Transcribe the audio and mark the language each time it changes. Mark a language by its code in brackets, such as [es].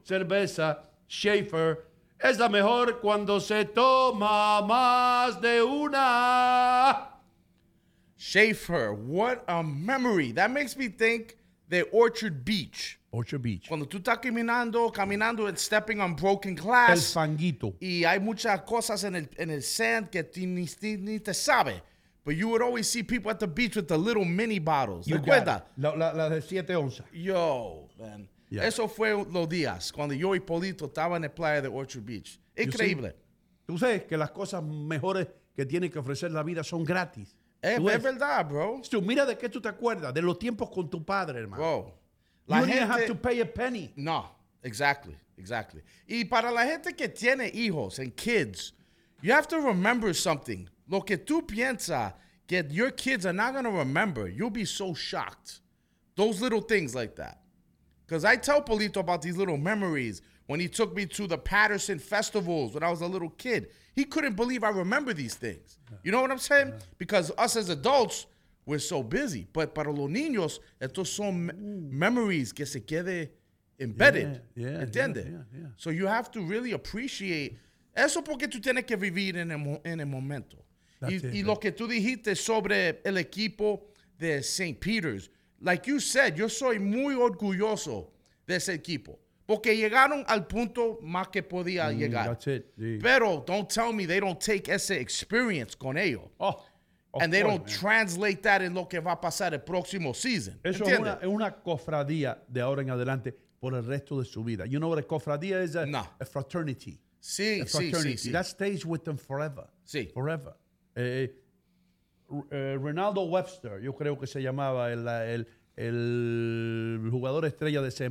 [es] Cerveza Schaefer es la mejor cuando se toma más de una. [en] Schaefer, what a memory. That makes me think the Orchard Beach. Orchard Beach. [es] Cuando tú estás caminando, [en] and stepping on broken glass. [es] El fanguito. Y hay muchas cosas en el sand que ni te sabe. [en] But you would always see people at the beach with the little mini bottles. You [es] ¿Recuerda? La de 7 onzas. [en] Yo, man. Yeah. [es] Eso fue los días cuando yo y Polito estaban en la playa de Orchard Beach. Increíble. Tú sabes que las cosas mejores que tiene que ofrecer la vida son gratis. Es verdad, bro. Tú, mira de qué tú te acuerdas, de los tiempos con tu padre, hermano. Bro. [en] La you gente, didn't have to pay a penny. No, exactly. [es] Y para la gente que tiene hijos [en] and kids, you have to remember something. [es] Lo que tú piensas que [en] your kids are not going to remember, you'll be so shocked. Those little things like that. Because I tell Polito about these little memories when he took me to the Patterson festivals when I was a little kid. He couldn't believe I remember these things. You know what I'm saying? Yeah. Because us as adults, we're so busy. [es] But para los niños, estos son memories que se quede embedded. [en] Yeah, [es] ¿entiende? [en] Yeah. So you have to really appreciate [es] eso porque tú tienes que vivir en el momento. Y lo que tú dijiste sobre el equipo de St. Peter's. [en] Like you said, [es] yo soy muy orgulloso de ese equipo. Porque llegaron al punto más que podía llegar. [en] That's it. Yeah. Pero don't tell me they don't take ese experience [es] con ellos. [en] Oh, of and they course, don't man. Translate that in [es] lo que va a pasar el próximo season. Eso ¿entiende? Es una cofradía de ahora en adelante por el resto de su vida. [en] You know what a cofradía is? A fraternity. [es] Sí, [en] a fraternity. [es] Sí, sí, sí. [en] That stays with them forever. [es] Sí. [en] Forever. [es] Ronaldo Webster, yo creo que se llamaba el jugador estrella de St.